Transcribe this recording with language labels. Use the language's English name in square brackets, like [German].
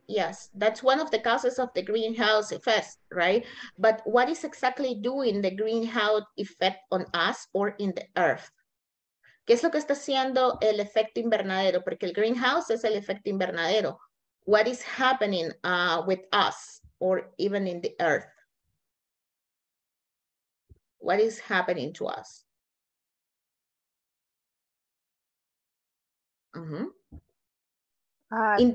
[English] Yes, that's one of the causes of the greenhouse effect, right? But what is exactly doing the greenhouse effect on us or in the earth? [Spanish] ¿Qué es lo que está haciendo el efecto invernadero? Porque el greenhouse es el efecto invernadero. [English] What is happening with us or even in the earth? What is happening to us? Mm-hmm.